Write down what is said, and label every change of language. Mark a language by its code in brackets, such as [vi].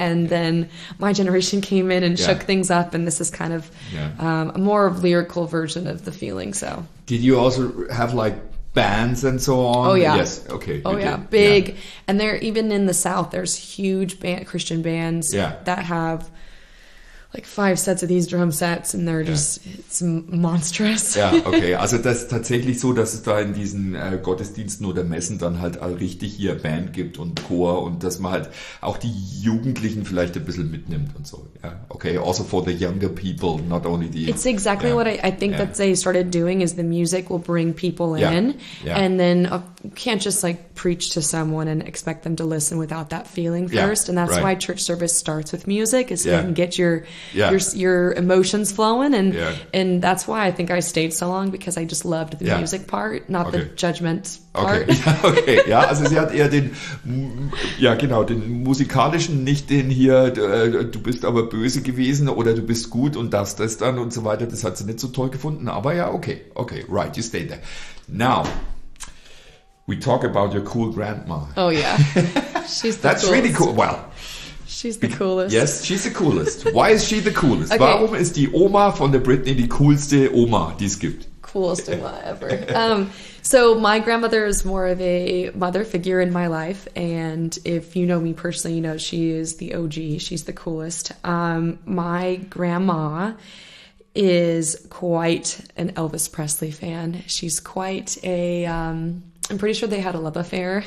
[en] And then my generation came in and shook things up, and this is kind of a more of lyrical version of the feeling. So, did you also have like? Bands and so on. Oh yeah. Yes. Okay. Oh yeah. Big. Yeah. And they're even in the South, there's huge band, Christian bands that have like five sets of these drum sets, and they're just, it's monstrous. Yeah. Okay. [de] Also das ist tatsächlich so, dass es da in diesen Gottesdiensten oder Messen dann halt all richtig hier Band gibt und Chor, und dass man halt auch die Jugendlichen vielleicht ein bisschen mitnimmt und so. [en] Yeah. Okay. Also for the younger people, not only the... It's exactly what I think that they started doing, is the music will bring people in. Yeah. And then you can't just like preach to someone and expect them to listen without that feeling first. Yeah. And that's why church service starts with music, is so you can get your emotions flowing, and that's why I think I stayed so long, because I just loved the music part, not the judgment part. [de] Okay, ja, also sie hat eher den, ja genau, den musikalischen, nicht den hier, du bist aber böse gewesen oder du bist gut und das dann und so weiter, das hat sie nicht so toll gefunden, aber ja, okay, [en] right, you stay there. Now, we talk about your cool grandma. Oh yeah, she's the That's coolest. Really cool, well. She's the coolest. Yes, she's the coolest. Why is she the coolest? Okay. [de] Warum ist die Oma von der Britney die coolste Oma, die es gibt? [en] Coolest Oma ever. So my grandmother is more of a mother figure in my life. And if you know me personally, you know she is the OG. She's the coolest. My grandma is quite an Elvis Presley fan. She's quite a... I'm pretty sure they had a love affair.